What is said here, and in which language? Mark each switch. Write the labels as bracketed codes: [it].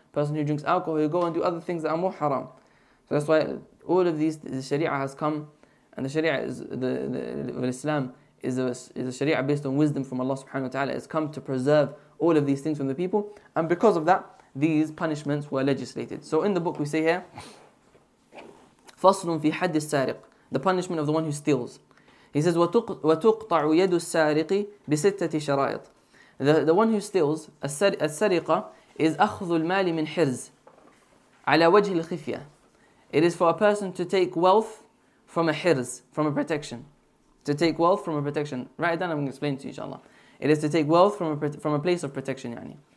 [en] Person who drinks alcohol, he go and do other things that are more haram. So that's why all of these, the sharia has come, and the sharia is the Islam is a sharia based on wisdom from Allah subhanahu wa ta'ala. It's come to preserve all of these things from the people, and because of that, these punishments were legislated. So in the book we say here, [ar] فَصْلٌ فِي حَدِّ السَّارِقِ, [en] the punishment of the one who steals. He says, [ar] وَتُقْطَعُ يَدُ السَّارِقِ بِسِتَّةِ شَرَائِطِ. [en] The one who steals, السَّارِقَ, is [ar] أَخْذُ الْمَالِ مِنْ حِرْزِ عَلَى وَجْهِ الْخِفْيَةِ. [en] It is for a person to take wealth from a hirz, from a protection. To take wealth from a protection. Write it down, I'm going to explain to you, inshallah. It is to take wealth from a place of protection, يعني.